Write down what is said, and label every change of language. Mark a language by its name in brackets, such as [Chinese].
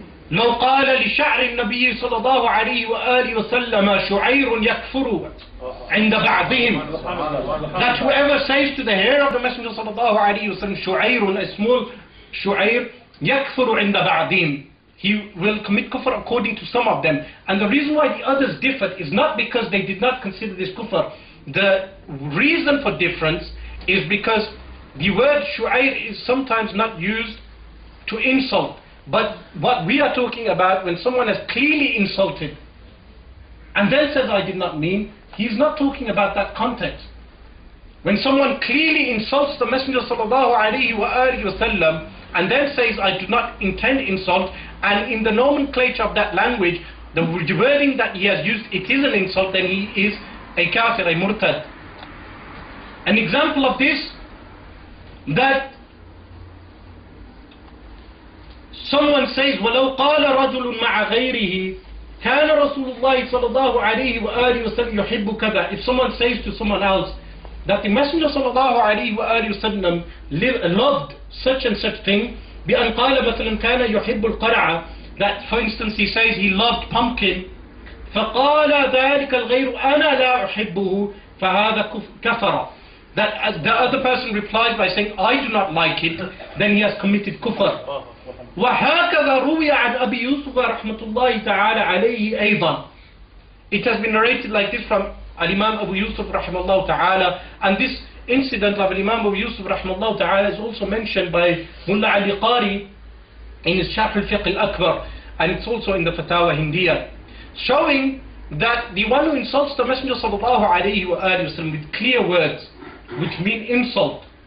[Arabic] لو قال لشعر النبي صلى الله عليه وآله وسلم شعير يكفر عند بعضهم. [English] That whoever says to the hair of the Messenger صلى الله عليه وسلم شعير, a small شعير, [Arabic] يكفر عند بعضهم, [English] he will commit kufr according to some of them. And the reason why the others differed is not because they did not consider this kufr. The reason for difference is because the word shu'ayr is sometimes not used to insult. But what we are talking about, when someone has clearly insulted and then says, I did not mean, he's not talking about that context. When someone clearly insults the Messenger sallallahu alayhi wa alayhi wa sallam and then says, I do not intend insult, and in the nomenclature of that language, the wording that he has used, it is an insult, then he is a kafir, a murtad. An example of this, that someone says, [Arabic] وَلَوْ قَالَ رَجُلٌ مَعَ غَيْرِهِ كَانَ رَسُولُ اللَّهِ صَلَى اللَّهُ عَلَيْهِ وَآلِهِ وَسَلَّمْ يُحِبُّ كَذَا. [English] If someone says to someone else that the Messenger صلى الله عليه وآله وسلم loved such and such thing, [Arabic] بأن قال مثلا كان يحب القرعة, [English] that for instance he says he loved pumpkin, [Arabic] فقال ذلك الغير أنا لا أحبه فهذا كفر, [English] that as the other person replies by saying I do not like it, then he has committed kufr. [Arabic] وهكذا روي عن أبي يوسف رحمة الله تعالى عليه أيضا. [English] It has been narrated like this from Al-Imam Abu Yusuf rahimahullah ta'ala, and this incident of Al-Imam Abu Yusuf rahimahullah ta'ala is also mentioned by Mullah Ali Qari in his Sharh al-Fiqh al-Akbar, and it's also in the Fatawa Hindiya, showing that the one who insults the Messenger sallallahu alayhi wa alayhi wa sallam with clear words, which mean insult,